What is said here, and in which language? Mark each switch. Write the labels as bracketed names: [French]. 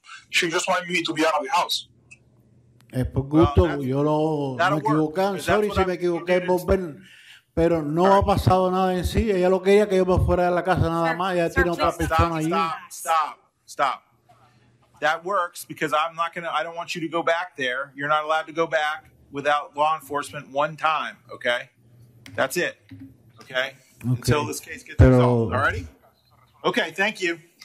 [English] She just wanted me to be out of the house. [Spanish] Es por gusto, yo lo me equivoqué, sorry si me equivoqué, volver, pero no ha pasado nada en sí. Ella lo quería que yo me fuera de la casa nada más. Ella tiene otra persona allí. [English] Stop. That works because I don't want you to go back there. You're not allowed to go back without law enforcement one time. Okay, that's it. Okay. Until this case gets resolved. Alrighty. Okay. Thank you.